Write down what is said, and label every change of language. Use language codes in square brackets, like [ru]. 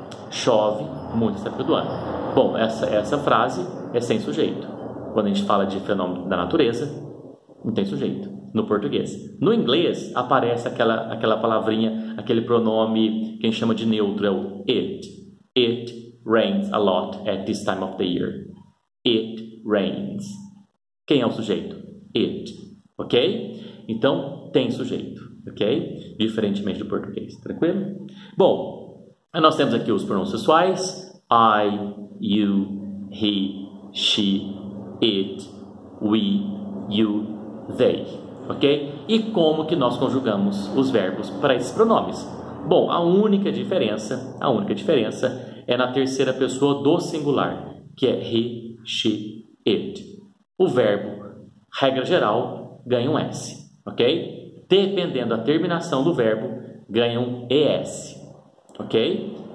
[pt] Chove muito essa época do ano. Bom, essa frase é sem sujeito. Quando a gente fala de fenômeno da natureza, não tem sujeito no português. No inglês, aparece aquela palavrinha, aquele pronome que a gente chama de neutro, é o it. [en] Rains a lot at this time of the year. It rains. [pt] Quem é o sujeito? It. Ok? Então, tem sujeito. Ok? Diferentemente do português. Tranquilo? Bom, nós temos aqui os pronomes pessoais. [en] I, you, he, she, it, we, you, they. [pt] Ok? E como que nós conjugamos os verbos para esses pronomes? Bom, a única diferença é na terceira pessoa do singular, que é he, she, it. O verbo, regra geral, ganha um S, ok? Dependendo da terminação do verbo, ganha um ES, ok?